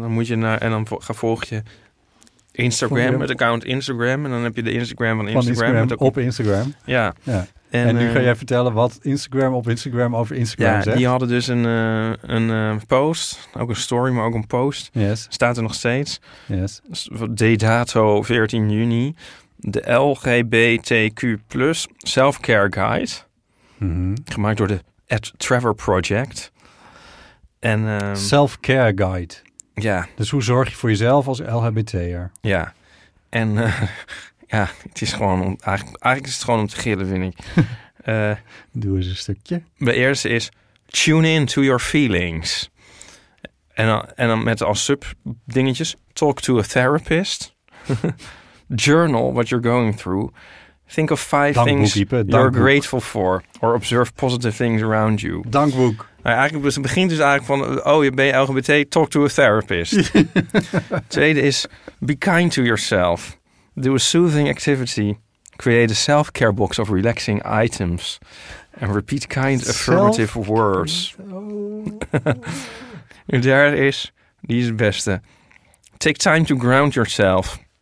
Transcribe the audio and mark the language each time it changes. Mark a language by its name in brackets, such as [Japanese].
[Dutch] Dan moet je naar, en dan volg je Instagram, het account Instagram. En dan heb je de Instagram van Instagram. Van Instagram met op Instagram. Ja. En nu ga jij vertellen wat Instagram op Instagram over Instagram zegt. Ja, die hadden dus een post. Ook een story, maar ook een post. Yes. Staat er nog steeds. Yes. De dato 14 juni. De LGBTQ+ self-care guide. Mm-hmm. Gemaakt door de At Trevor Project. En, self-care guide. Ja. Dus hoe zorg je voor jezelf als LHBT'er? Ja. En ja, het is gewoon om, eigenlijk is het gewoon om te gillen, vind ik. Doe eens een stukje. De eerste is [English] tune in to your feelings. [Dutch] En dan met als sub-dingetjes [English] talk to a therapist. Journal what you're going through. Think of five things you're grateful for. Or observe positive things around you. [Dutch] Dankboek. Nou, eigenlijk het begint dus eigenlijk van, oh, je bent LGBT, [English] talk to a therapist. [Dutch] Tweede is, [English] be kind to yourself. Do a soothing activity. Create a self-care box of relaxing items. And repeat kind affirmative words. [Dutch] De derde is, die is het beste. [English] Take time to ground yourself.